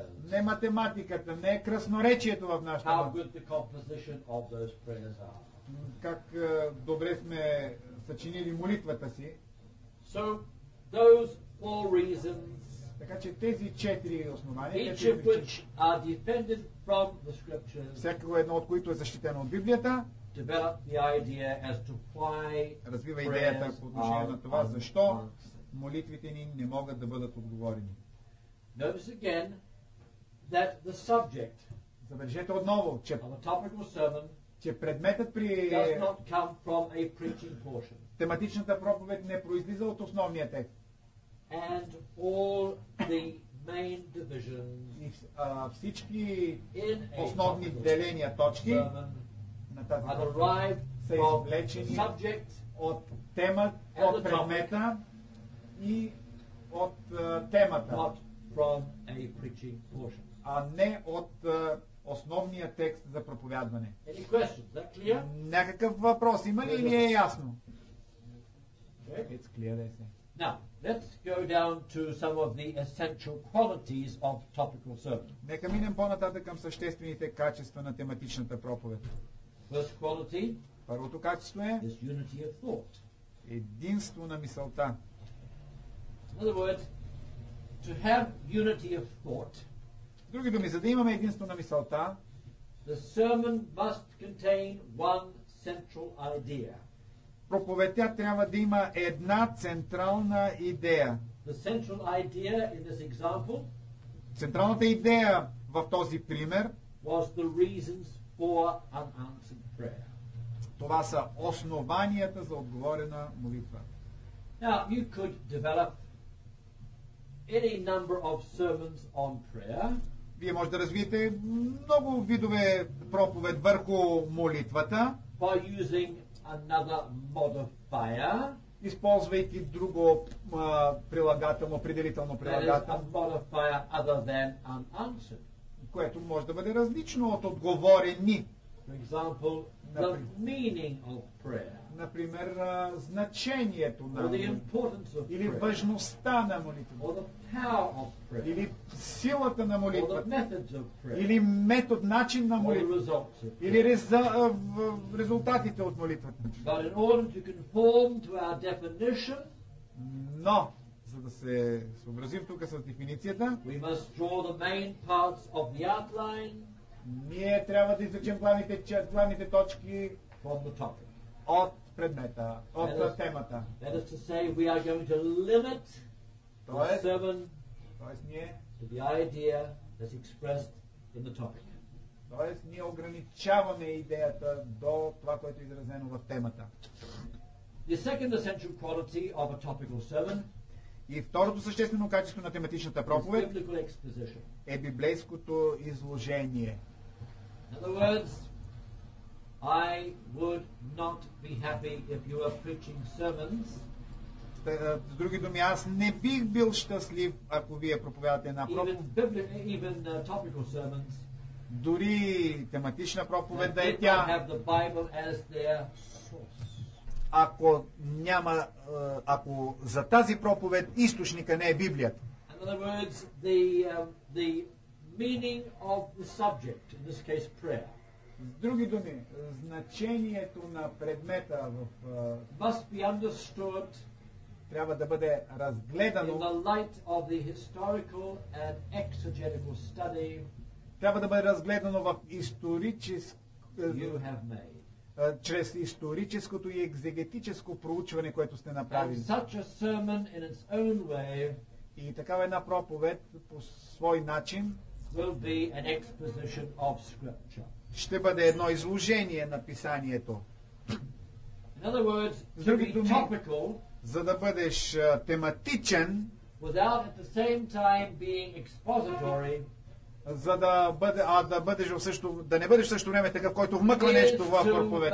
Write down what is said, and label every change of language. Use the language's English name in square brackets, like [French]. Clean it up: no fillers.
[Bulgarian] Не математиката, не е красноречието в нашата молитва. Как добре сме съчинили молитвата си. [English] So, those four reasons, [Bulgarian] така че тези четири основания, [English] each of which are defended from the scriptures, [Bulgarian] всяко едно от които е защитено от Библията, [English] develop the idea as to why [Bulgarian] развива идеята по отношение на това, защо молитвите ни не могат да бъдат отговорени. [English] Notice again that the subject, [Bulgarian] забележете отново, че, [English] of a topical sermon, [Bulgarian] че предметът при [English] does not come from a preaching portion. [Bulgarian] Тематичната проповед не произлиза от основния текст. [English] And all the main divisions [Bulgarian] и всички основни деления, точки на тази проповед са извлечени [English] subject, [Bulgarian] от темата, от предмета [English] topic, [Bulgarian] и от темата. [English] From a preaching portion. [Bulgarian] а не от основния текст за проповядване. [English] Any questions? That clear? [Bulgarian] Някакъв въпрос има ли, или е ясно? [English] Okay. It's clear, they say. Now, let's go down to some of the essential qualities of topical sermon. [Bulgarian] Нека минем по-нататък към съществените качества на тематичната проповед. [English] First quality? [Bulgarian] Първото качество е [English] is unity of thought. [Bulgarian] Единство на мисълта. [English] In other words, to have unity of thought. [Bulgarian] В други думи, за да имаме единство на мисълта, [English] the sermon must contain one central idea. [Bulgarian] Проповедта трябва да има една централна идея. [English] The central idea in this example, [Bulgarian] централната идея в този пример, [English] was the reasons for unanswered prayer. [Bulgarian] Това са основанията за отговорена молитва. [English] Now, you could develop any number of sermons on prayer. [Bulgarian] Вие може да развиете много видове проповед върху молитвата. [English] By using another modifier. [Bulgarian] Използвайки друго прилагателно, определително прилагателно. [English] Modifier other than unanswered. [Bulgarian] Което може да бъде различно от отговорени. [English] For example, the meaning of prayer. [Bulgarian] Например, значението на молитва. Или важността на молитва. [English] Or the power of prayer. [Bulgarian] Или силата на молитва. [English] Or the methods of prayer. [Bulgarian] Или метод, начин на молитва. [English] Or the results of [Bulgarian] или резултатите от молитвата. [English] But in order to conform to our definition, [Bulgarian] но, за да се съобразим тук с дефиницията, [English] we must draw the main parts of the outline. [Bulgarian] Ние трябва да изучим главните точки [English] from the topic. [Bulgarian] От предмета, от [English] that is, [Bulgarian] темата. [English] That is to say, we are going to limit the sermon to the idea that's expressed in the topic. [Bulgarian] Тоест, ние ограничаваме идеята до това, което е изразено в темата. [English] The second essential quality of a topical sermon. [Bulgarian] И второто съществено качество на тематичната проповед [English] is biblical exposition. [Bulgarian] Е библейското изложение. [English] In other words, I would not be happy if you were preaching sermons. [Bulgarian] С други думи, аз не бих бил щастлив, ако вие проповядате една проповед. [English] Even topical sermons. [Bulgarian] Дори тематична проповед да е тя. [English] They have the Bible as their source. [Bulgarian] Ако няма, ако за тази проповед източника не е Библията. [English] In other words, the meaning of the subject, in this case prayer. [Bulgarian] С други думи, значението на предмета в [English] must be understood [Bulgarian] трябва да бъде разгледано [English] in the light of the historical and exegetical study [Bulgarian] трябва да бъде разгледано в [English] you have made. [Bulgarian] Чрез историческото и екзегетическо проучване, което сте направили. [English] And such a sermon in its own way [Bulgarian] и такава една проповед по свой начин [English] will be an exposition of scripture. [Bulgarian] Ще бъде едно изложение на писанието. [English] In other words, to be topical, [Bulgarian] за да бъдеш тематичен, [English] without at the same time being expository, [Bulgarian] за да бъде, а да бъдеш в също, да не бъдеш в същото време такъв, който вмъква нещо в проповедта.